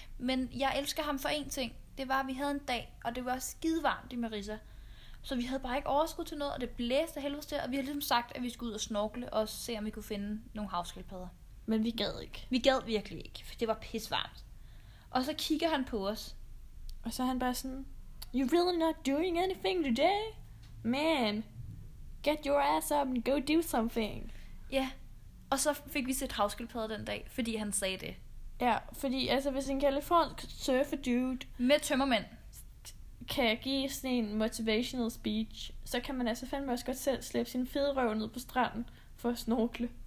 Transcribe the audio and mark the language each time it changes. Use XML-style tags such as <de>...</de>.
<da>Men jeg elsker ham for en ting. Det var, at vi havde en dag, og det var skidevarmt i Marissa. Så vi havde bare ikke overskud til noget, og det blæste helvedes der. Og vi havde ligesom sagt, at vi skulle ud og snorkle og se, om vi kunne finde nogle havskildpadder. Men vi gad ikke. Vi gad virkelig ikke, for det var pisvarmt. Og så kigger han på os. Og så er han bare sådan,</da> <en>"You're really not doing anything today? Man, get your ass up and go do something."</en> <da>Ja, og så fik vi set havskildpadder den dag, fordi han sagde det. Ja, fordi altså, hvis en californisk surfer dude med tømmermænd kan give sådan en</da> <en>motivational speech,</en> <da>så kan man altså fandme også godt selv slæbe sin fede røv ned på stranden for at snorkle</da>